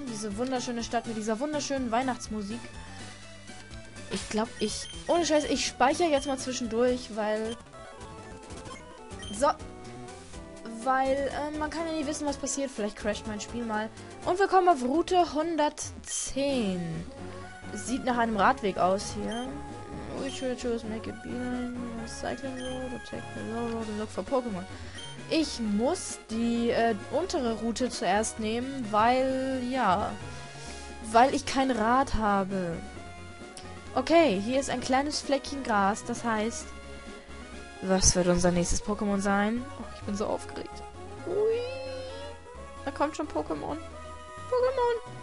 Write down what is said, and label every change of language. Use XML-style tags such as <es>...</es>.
<de>Diese wunderschöne Stadt mit dieser wunderschönen Weihnachtsmusik. Ich glaube, ich... Ohne Scheiß, ich speichere jetzt mal zwischendurch, weil... So, weil man kann ja nicht wissen, was passiert. Vielleicht crasht mein Spiel mal. Und wir kommen auf Route 110. Sieht nach einem Radweg aus hier.</de> <en>Which way to make a beeline? Cycling road or take the low road and look for Pokémon.</en> <de>Ich muss die untere Route zuerst nehmen, weil, ja, weil ich kein Rad habe. Okay, hier ist ein kleines Fleckchen Gras, das heißt... Was wird unser nächstes Pokémon sein? Oh, ich bin so aufgeregt. Ui. Da kommt schon Pokémon. Pokémon!</de>